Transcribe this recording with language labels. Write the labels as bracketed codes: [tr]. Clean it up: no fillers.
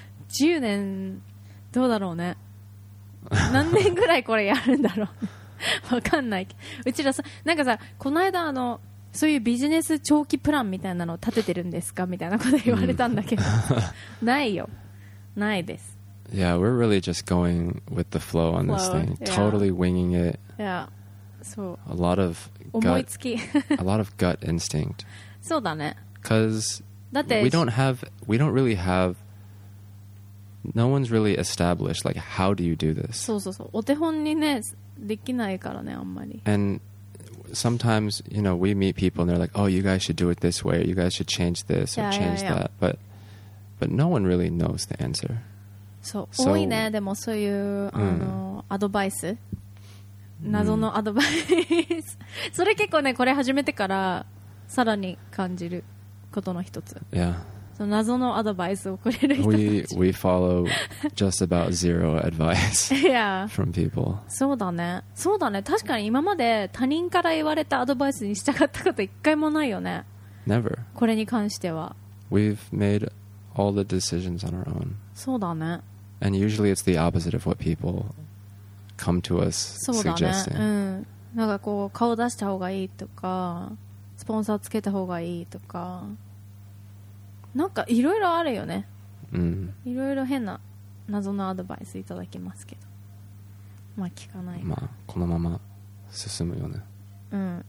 [ja] 10年どうだろうね、何年ぐらいこれやるんだろうわかんない。うちらさ、なんかさ、この間あのそういうビジネス長期プランみたいなの立ててるんですかみたいなこと言われたんだけど、ないよ、ないです。 [en] Yeah, we're really just going with the flow on this thing. Totally winging it. Yeah, so a lot of gut, [ja] 思いつき [en] a lot of gut instinct. [ja] そうだね。 [en] Because we don't really have no one's really established like how do you do this. [ja] そうそうそう、お手本にねできないからね、あんまり。 [en] andSometimes, you know, we meet people and they're like, oh, you guys should do it this way, or you guys should change this or change that. But no one really knows the answer. So, [ja] 多いね、でもそういう、アドバイス。謎のアドバイス。それ結構ね、これ始めてからさらに感じることの一つ。 [en] Yeah. [ja] その謎のアドバイスをくれる人たち。 [en] We follow just about zero advice yeah. from people. [ja] そうだね。そうだね。確かに今まで他人から言われたアドバイスに従ったこと一回もないよね。 [en] Never. [ja] これに関しては。 [en] We've made all the decisions on our own. [ja] そうだね。 [en] And usually it's the opposite of what people come to us suggesting. [ja] なんかこう顔出した方がいいとかスポンサーつけた方がいいとかなんかいろいろあるよね。いろいろ変な謎のアドバイスいただきますけど、まあ聞かないな。まあこのまま進むよね。